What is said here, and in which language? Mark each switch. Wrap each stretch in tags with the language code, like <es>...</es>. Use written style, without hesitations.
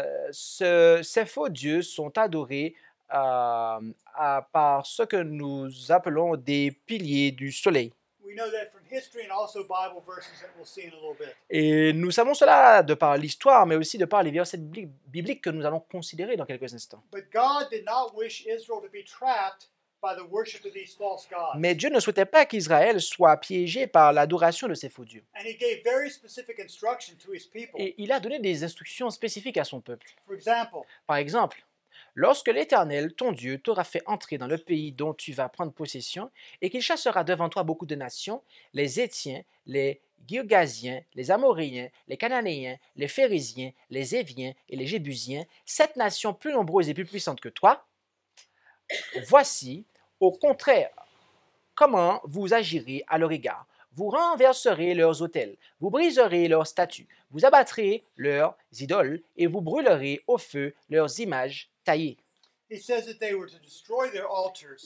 <fr>Ces faux dieux sont adorés par ce que nous appelons des piliers du soleil.</fr> <en>We know that from history and also Bible verses that we'll see in a little bit.</en> <fr>Et nous savons cela de par l'histoire, mais aussi de par les versets bibliques que nous allons considérer dans quelques instants.</fr> <en>But God did not wish Israel to be trapped by the worship of these false gods.</en> <fr>Mais Dieu ne souhaitait pas qu'Israël soit piégé par l'adoration de ces faux dieux.</fr> <en>And he gave very specific instructions to his people.</en> <fr>Et il a donné des instructions spécifiques à son peuple.</fr> <en>For example,</en> <fr>par exemple, lorsque l'Éternel, ton Dieu, t'aura fait entrer dans le pays dont tu vas prendre possession et qu'il chassera devant toi beaucoup de nations, les Hétiens, les Girgasiens, les Amoréens, les Cananéens, les Phérésiens, les Éviens et les Jébusiens, cette nation plus nombreuse et plus puissante que toi, voici, au contraire, comment vous agirez à leur égard. Vous renverserez leurs autels, vous briserez leurs statues, vous abattrez leurs idoles et vous brûlerez au feu leurs images taillées.</fr> <en>He says that they were to destroy their altars.</en>